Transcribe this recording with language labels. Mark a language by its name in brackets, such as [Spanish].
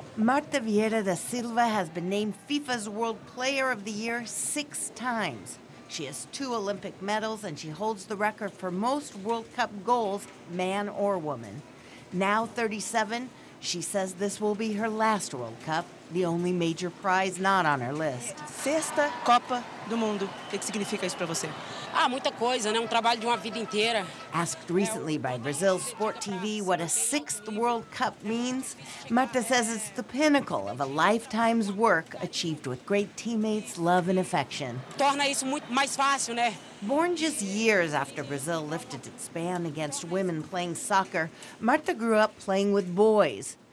[English] Marta Vieira da Silva has been named FIFA's World Player of the Year 6 times. She has 2 Olympic medals, and she holds the record for most World Cup goals, man or woman. Now 37, she says this will be her last World Cup, the only major prize not on her list. [Portuguese] Sexta Copa do Mundo. O que significa isso para você? Ah, muita coisa, né? Um trabalho de uma vida inteira. [English] Asked recently by Brazil Sport TV what a sixth World Cup means, Marta says it's the pinnacle of a lifetime's work achieved with great teammates, love, and affection. [Portuguese] Torna isso muito mais fácil, né? [English] Born just years after Brazil lifted its ban against women playing soccer, Marta grew up playing with boys.